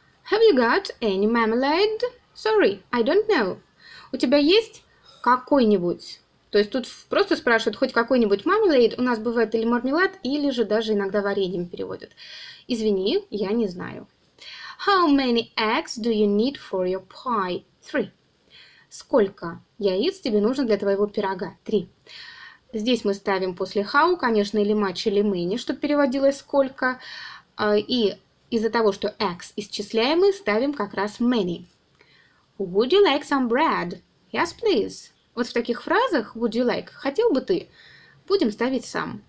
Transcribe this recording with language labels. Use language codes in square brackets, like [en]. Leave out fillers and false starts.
[en] Have you got any marmalade? Sorry, I don't know. [ru] У тебя есть какой-нибудь? То есть тут просто спрашивают, хоть какой-нибудь marmalade, у нас бывает или мармелад, или же даже иногда вареньем переводят. Извини, я не знаю. [en] How many eggs do you need for your pie? Three. [ru] Сколько яиц тебе нужно для твоего пирога? Три. Здесь мы ставим после how, конечно, или much, или many, чтобы переводилось сколько. И из-за того, что x исчисляемый, ставим как раз many. [en] Would you like some bread? Yes, please. [ru] Вот в таких фразах [en] would you like, [ru] хотел бы ты, будем ставить сам.